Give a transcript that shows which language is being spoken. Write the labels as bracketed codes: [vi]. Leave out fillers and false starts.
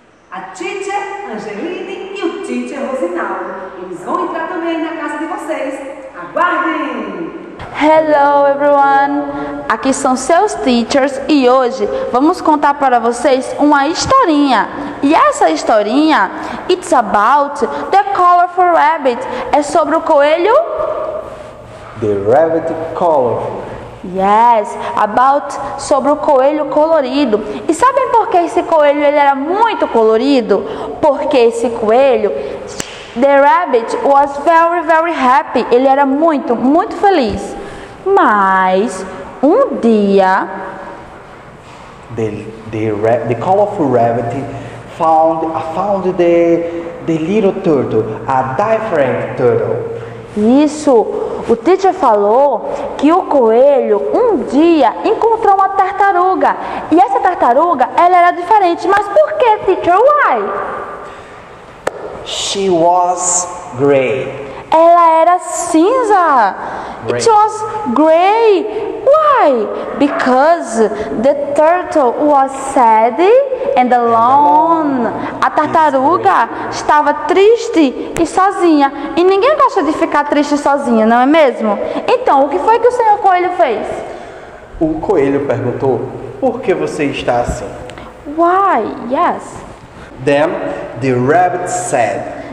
[pt] A Tietê Angeline e o Tietê Rosinaldo. Eles vão entrar também na casa de vocês. Aguardem! [en] Hello everyone! [pt] Aqui são seus teachers e hoje vamos contar para vocês uma historinha. E essa historinha, [en] it's about the colorful rabbit. [pt] É sobre o coelho? [en] The rabbit colorful. Yes, about [pt] sobre o coelho colorido. E sabem por que esse coelho ele era muito colorido? Porque esse coelho, [en] the rabbit was very, very happy. [pt] Ele era muito, muito feliz. Mas um dia [en] the colorful rabbit found the little turtle, a different turtle. [pt] Isso, o teacher falou que o coelho um dia encontrou uma tartaruga. E essa tartaruga, ela era diferente. Mas por que, teacher? [en] Why? She was gray. [pt] Ela era cinza. [en] Gray. It was gray. Why? Because the turtle was sad and alone. [pt] A tartaruga estava triste e sozinha. E ninguém gosta de ficar triste sozinha, não é mesmo? Então, o que foi que o senhor coelho fez? O coelho perguntou, por que você está assim? [en] Why? Yes. Then the rabbit said.